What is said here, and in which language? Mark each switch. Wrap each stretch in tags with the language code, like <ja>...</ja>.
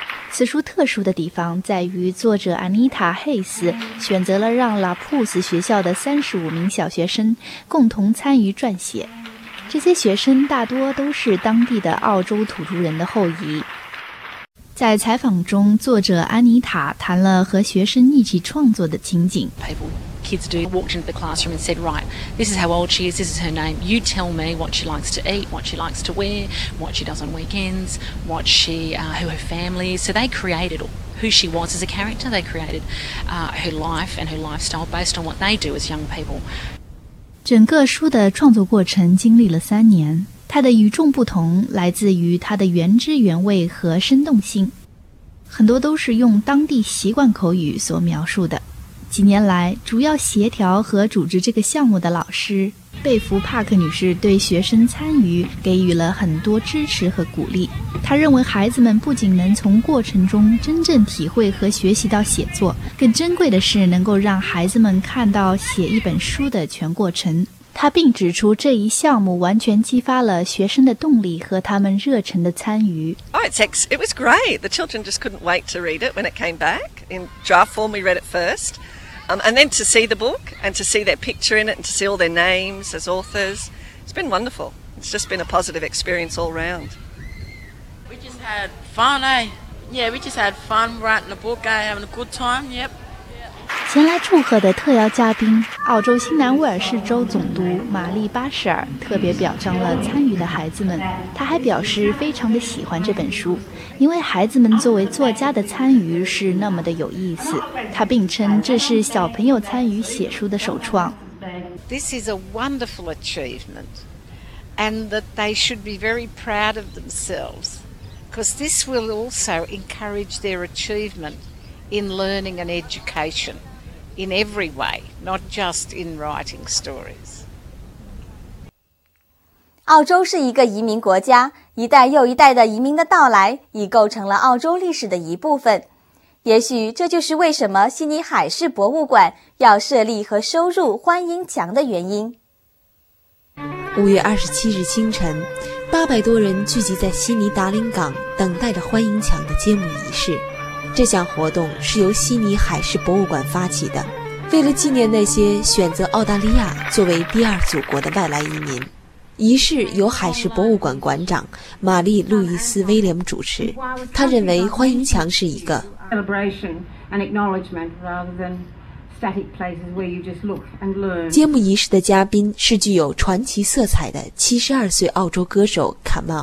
<zh>此书特殊的地方在于作者安妮塔·黑斯选择了让拉普斯学校的35名小学生共同参与撰写，这些学生大多都是当地的澳洲土著人的后裔。在采访中，作者安妮塔谈了和学生一起创作的情景。</zh> <en>Kids do walked into the classroom and said, "Right, this is how old she is. This is her name. You tell me what she likes to eat, what she likes to wear, what she does on weekends, what she, who her family is." So they created who she was as a character. They created her life and her lifestyle based on what they do as young people.</en> <zh>整个书的创作过程经历了3年，它的与众不同来自于它的原汁原味和生动性，很多都是用当地习惯口语所描述的。几年来，主要协调和组织这个项目的老师贝弗·帕克女士对学生参与给予了很多支持和鼓励。她认为孩子们不仅能从过程中真正体会和学习到写作，更珍贵的是能够让孩子们看到写一本书的全过程。她并指出这一项目完全激发了学生的动力和他们热忱的参与。</zh> <en>It was great. The children just couldn't wait to read it when it came back. In draft form, we read it first. And then to see the book and to see their picture in it and to see all their names as authors, it's been wonderful. It's just been a positive experience all round. We just had fun, eh? Yeah, we just had fun writing the book, eh? Having a good time, yep.</en> <zh>前来祝贺的特邀嘉宾，澳洲新南威尔士州总督玛丽·巴什尔特别表彰了参与的孩子们。他还表示非常的喜欢这本书，因为孩子们作为作家的参与是那么的有意思。他并称这是小朋友参与写书的首创。</zh> <en>This is a wonderful achievement, and that they should be very proud of themselves, because this will also encourage their achievement in learning and education in every way, not just in writing stories.</en> <zh>澳洲是一个移民国家，一代又一代的移民的到来已构成了澳洲历史的一部分。也许这就是为什么悉尼海事博物馆要设立和收入欢迎墙的原因。 5月27日清晨，800多人聚集在悉尼达林港，等待着欢迎墙的揭幕仪式。这项活动是由悉尼海事博物馆发起的，为了纪念那些选择澳大利亚作为第二祖国的外来移民。仪式由海事博物馆馆长玛丽·路易斯·威廉主持，他认为欢迎墙是一个</zh> <en>celebration and acknowledgement rather than static places where you just look and learn.</en> <zh>揭幕仪式的嘉宾是具有传奇色彩的72岁澳洲歌手卡曼。</zh>